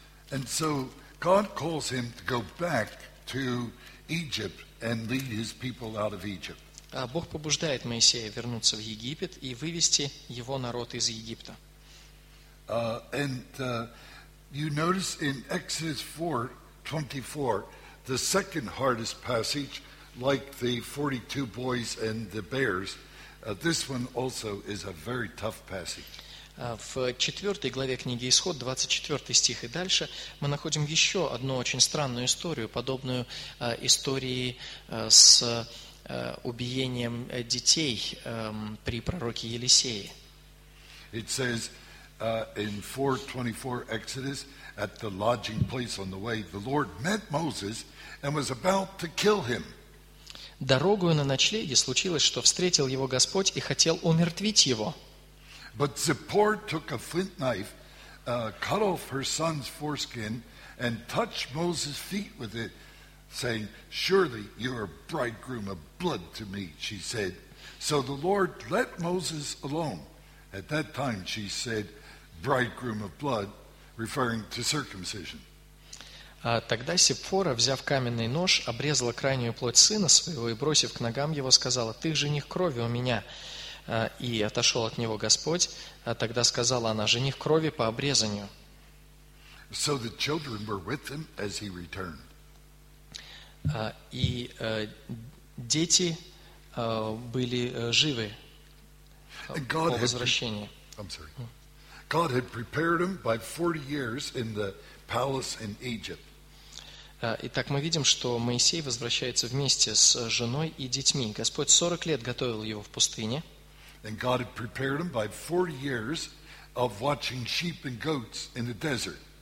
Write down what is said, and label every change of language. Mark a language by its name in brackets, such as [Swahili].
[English] And so God calls him to go back to Egypt and lead his people out of Egypt. [Russian] А Бог побуждает Моисея вернуться в Египет и вывести его народ из Египта. [English] And you notice in Exodus 4:24, the second hardest passage, like the 42 boys and the bears, this one also is a very tough passage. [Russian] В 4 главе книги Исход, 24 стих и дальше, мы находим еще одну очень странную историю, подобную истории с убиением детей при пророке Елисее. [English] It says in 4:24 Exodus, at the lodging place on the way, the Lord met Moses and was about to kill him. [Russian] Дорогою на ночлеге случилось, что встретил его Господь и хотел умертвить его. [English] But Zipporah took a flint knife, cut off her son's foreskin, and touched Moses' feet with it, saying, "Surely you are bridegroom of blood to me," she said. So the Lord let Moses alone. At that time she said, "Bridegroom of blood," referring to circumcision. [Russian] Тогда Сиппора, взяв каменный нож, обрезала крайнюю плоть сына своего и, бросив к ногам его, сказала, «Ты жених крови у меня». И отошел от него Господь. Тогда сказала она, «Жених крови по обрезанию». [English] So the children were with him as he returned. [Russian] И дети были живы по возвращении. [English] I'm sorry. God had prepared him by 40 years in the palace in Egypt. [Russian] Итак, мы видим, что Моисей возвращается вместе с женой и детьми. Господь 40 лет готовил его в пустыне. [English] And God had prepared him by 40 years of watching sheep and goats in the desert.